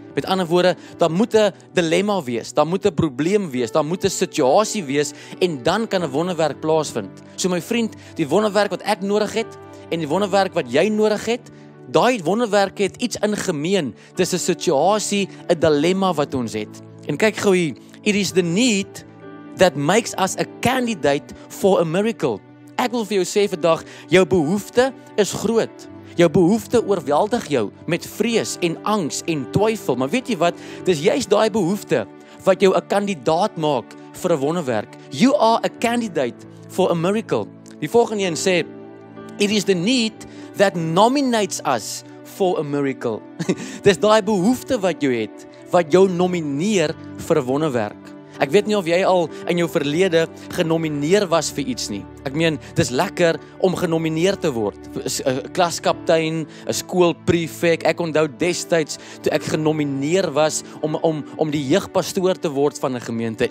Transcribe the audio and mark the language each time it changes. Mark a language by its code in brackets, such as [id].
[af] Met ander woorde, daar moet 'n dilemma wees, daar moet 'n probleem wees, daar moet 'n situasie wees, en dan kan 'n wonderwerk plaasvind. So my vriend, die wonderwerk wat ek nodig het, en die wonderwerk wat jy nodig het, daai wonderwerk het iets in gemeen, dis 'n situasie, 'n dilemma wat ons het. En kyk gou hier, [en] it is the need that makes us a candidate for a miracle. [af] Ek wil vir jou sê vandag, jou behoefte is groot. Jou behoefte oorweldig jou met vrees en angs en twyfel. Maar weet jy wat? Dis juist daai behoefte wat jou 'n kandidaat maak vir 'n wonderwerk. [en] You are a candidate for a miracle. [af] Die volgende een sê, [en] it is the need that nominates us for a miracle. [af] Dis daai behoefte wat jy het, wat jou nomineer vir 'n wonderwerk. Ek weet nie of jy al in jou verlede genomineer was vir iets nie. Ek meen, dis lekker om genomineer te word. 'N klaskaptein, 'n skoolprefek. Ek onthou destyds toe ek genomineer was om die jeugpastoor te word van 'n gemeente.